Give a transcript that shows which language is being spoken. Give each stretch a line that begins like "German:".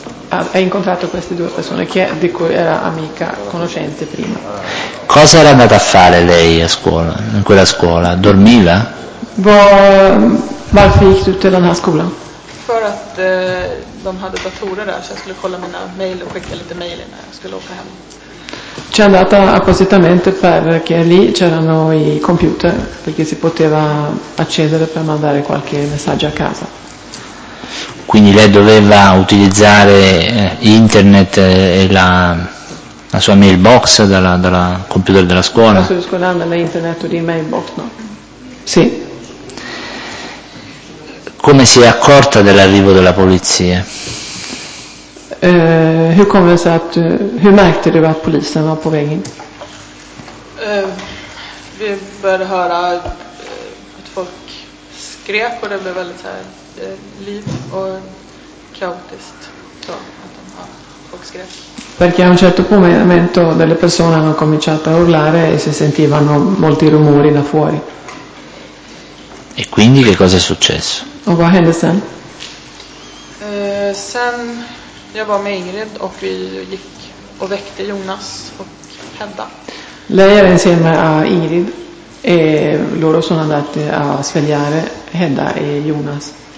Italian: Ha incontrato queste due persone di cui era amica, conoscente prima. Cosa era andata a fare lei a scuola, in quella scuola? Dormiva?
Swedish: Varför gick du till den här skolan? För att de hade datorer där, så jag skulle kolla mina mejl och skicka lite mejl innan jag skulle åka hem.
Italian: C'è andata appositamente perché lì c'erano i computer, perché si poteva accedere per mandare qualche messaggio a casa. Quindi lei doveva utilizzare internet e la sua mailbox dalla computer della scuola? La sua scuola aveva internet o di mailbox, no? Sì. Come si è accorta dell'arrivo della polizia?
Swedish: Hur kom det sig att hur märkte du att polisen var på väg in? Vi började höra att folk skrek och det blev väldigt så här liv och kaotiskt, så att folk skrek.
Italian: Perché a un certo momento delle persone hanno cominciato a urlare e si sentivano molti rumori da fuori. E quindi che cosa è successo?
Swedish: Och vad hände sen? Sen jag var med Ingrid och vi gick och väckte Jonas och Hedda.
Italian: Lei era insieme a Ingrid e loro sono andati a svegliare Hedda e Jonas.